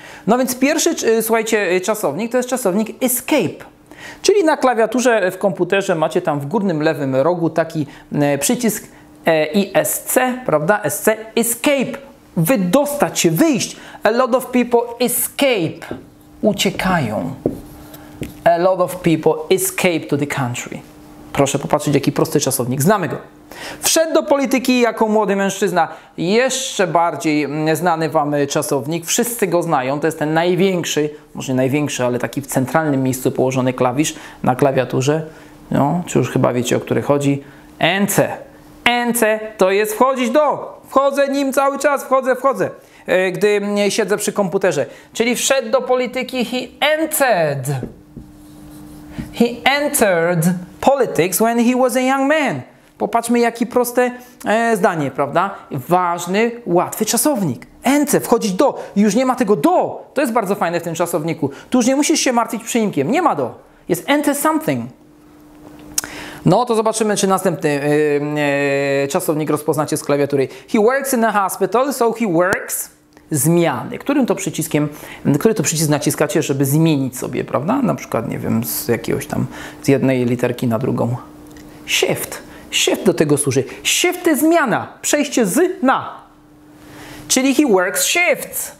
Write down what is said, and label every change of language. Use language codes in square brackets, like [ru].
[pl] No więc pierwszy, słuchajcie, czasownik to jest czasownik escape. Czyli na klawiaturze w komputerze macie tam w górnym lewym rogu taki przycisk ESC, prawda? SC, escape, wydostać się, wyjść. [en] A lot of people escape, uciekają. A lot of people escape to the country. [pl] Proszę popatrzeć, jaki prosty czasownik, znamy go. Wszedł do polityki jako młody mężczyzna. Jeszcze bardziej znany Wam czasownik, wszyscy go znają, to jest ten największy, może nie największy, ale taki w centralnym miejscu położony klawisz na klawiaturze. No, czy już chyba wiecie, o który chodzi? NC. NC to jest wchodzić do. Wchodzę nim cały czas, wchodzę. Gdy siedzę przy komputerze. Czyli wszedł do polityki, [en] he entered. He entered politics when he was a young man. [pl] Popatrzmy, jakie proste zdanie, prawda? Ważny, łatwy czasownik. NC, wchodzić do. Już nie ma tego do. To jest bardzo fajne w tym czasowniku. Tu już nie musisz się martwić przyimkiem. Nie ma do. Jest NC something. No to zobaczymy, czy następny czasownik rozpoznacie z klawiatury. [en] He works in a hospital, so he works. [pl] Zmiany. Którym to przyciskiem, który to przycisk naciskacie, żeby zmienić sobie, prawda? Na przykład, nie wiem, z jakiegoś tam, z jednej literki na drugą. Shift. Shift do tego służy. Shift to zmiana. Przejście z na. Czyli [en] he works shifts.